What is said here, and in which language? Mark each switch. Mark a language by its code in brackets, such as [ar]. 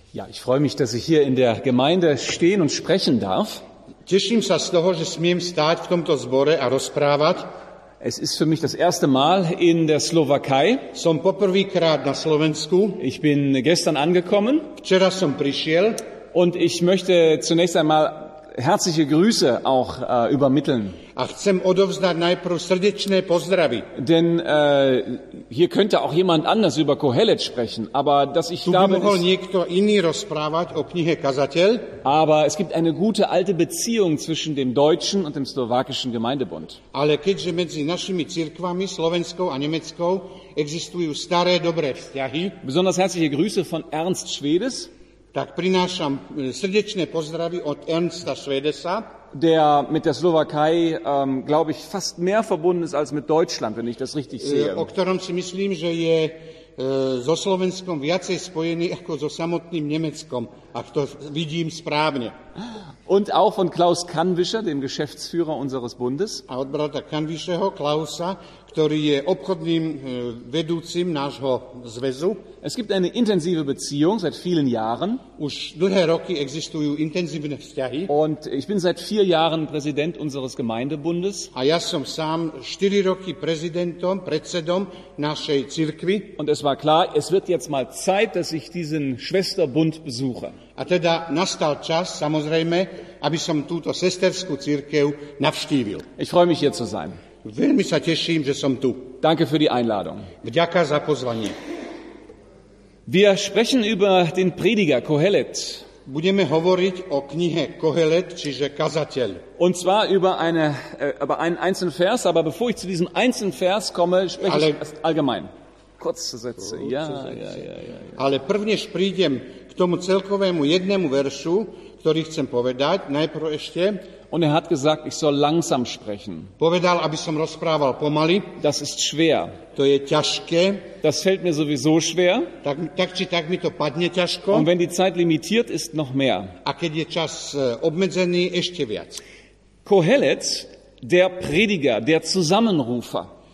[de] Ich freue mich, dass ich hier in der Gemeinde stehen und sprechen darf. [sk] Teším sa z toho, že smiem stáť v tomto zbore a rozprávať. [de] Es ist für mich das erste Mal in der Slowakei. [sk] Som poprvýkrát na Slovensku. [de] Ich bin gestern angekommen. [sk] Včera som prišiel. [de] Und ich möchte zunächst einmal herzliche Grüße auch übermitteln. [sk] A chcem odovzdať najprv srdečné pozdravy. [de] Denn hier könnte auch jemand anders über Kohelet sprechen, aber dass ich [sk] da mohol niekto iný rozprávať o knihe Kazateľ. [de] Aber es gibt eine gute alte Beziehung zwischen dem deutschen und dem slowakischen Gemeindebund. [sk] Ale keďže medzi našimi cirkvami slovenskou a nemeckou existujú staré dobré vzťahy. [de] Besonders herzliche Grüße von Ernst Schwedes. [sk] Tak prinášam srdečné pozdravy od Ernsta Schwedesa. [de] Der mit der Slowakei, glaube ich, fast mehr verbunden ist als mit Deutschland, wenn ich das richtig sehe. [sk] O ktorom si myslím, že je so Slovenskom viacej spojený ako so samotným Nemeckom, ak to vidím správne. [de] Und auch von Klaus Kannwischer, dem Geschäftsführer unseres Bundes. [sk] A od brata Kannwischeho, Klausa, ktorý je obchodným vedúcim nášho zväzu. [de] Es gibt eine intensive Beziehung seit vielen Jahren. [sk] Už dlhé roky existujú intenzívne vzťahy. [de] Und ich bin seit 4 Jahren Präsident unseres Gemeindebundes. [sk] A ja som sám 4 roky prezidentom, predsedom našej cirkvi. [de] Und es war klar, es wird jetzt mal Zeit, dass ich diesen Schwesterbund besuche. [sk] A teda nastal čas, samozrejme, aby som túto sesterskú cirkev navštívil. [de] Ich freue mich, hier zu sein. [sk] Veľmi sa teším, že som tu. [de] Danke für die Einladung. [sk] Vďaka za pozvanie. [de] Wir sprechen über den Prediger Kohelet. [sk] Budeme hovoriť o knihe Kohelet, čiže Kazateľ. [de] Und zwar über einen einzelnen Vers, aber bevor ich zu diesem einzelnen Vers komme, spreche ich allgemein. Kurze Sätze. [sk] Ale prv než prídem k tomu celkovému jednému veršu, ktorý chcem povedať, najprv ešte. [de] Und er hat gesagt, ich soll langsam sprechen. [sk] Povedal, aby som rozprával pomaly. [de] Das ist schwer. [sk] To je ťažké. [de] Das fällt mir sowieso schwer. [sk] Tak či tak mi to padne ťažko. [de] Und wenn die Zeit limitiert ist, noch mehr. [sk] A keď je čas obmedzený, ešte viac. [de] Kohelet, der Prediger, der Zusammenrufer.